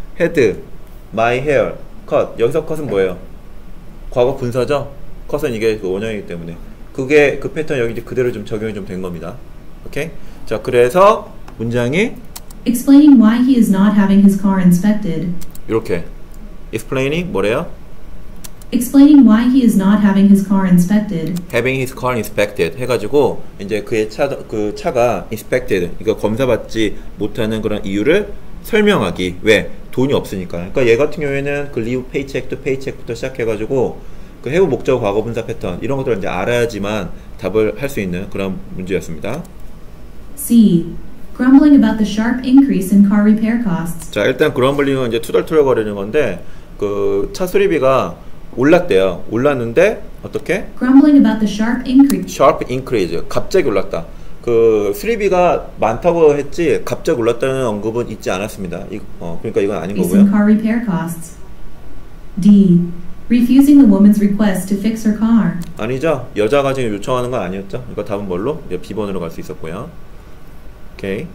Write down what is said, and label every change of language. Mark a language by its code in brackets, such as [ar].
[en] Had my hair cut. [ko] 여기서 cut은 뭐예요? 과거 분사죠? 커서 이게 그 원형이기 때문에 그게 그 패턴 여기 이제 그대로 좀 적용이 좀 된 겁니다. 오케이? 자, 그래서 문장이 [en] explaining why he is not having his car inspected. [ko] 이렇게 explaining 뭐래요? [en] explaining why he is not having his car inspected. having his car inspected [ko] 해 가지고 이제 그의 차 그 차가 inspected 이거 검사받지 못하는 그런 이유를 설명하기. 왜? 돈이 없으니까. 그러니까 얘 같은 경우에는 그 [en] leave paycheck to paycheck [ko] 부터 시작해 가지고 그 have 목적어 과거 분사 패턴 이런 것들을 이제 알아야지만 답을 할 수 있는 그런 문제였습니다. [en] C. grumbling about the sharp increase in car repair costs. [ko] 자, 일단 grumbling은 이제 투덜투덜거리는 건데 그 차 수리비가 올랐대요. 올랐는데 어떻게? [en] grumbling about the sharp increase. sharp increase. 갑자기 올랐다. [ko] 그 수리비가 많다고 했지 갑자기 올랐다는 언급은 있지 않았습니다. 그러니까 이건 아닌 거고요. [en] car repair costs. D. refusing the woman's request to fix her car. [ko] 아니죠. 여자가 지금 요청하는 건 아니었죠. 이거 답은 뭘로? 이거 B번으로 갈 수 있었고요. Okay.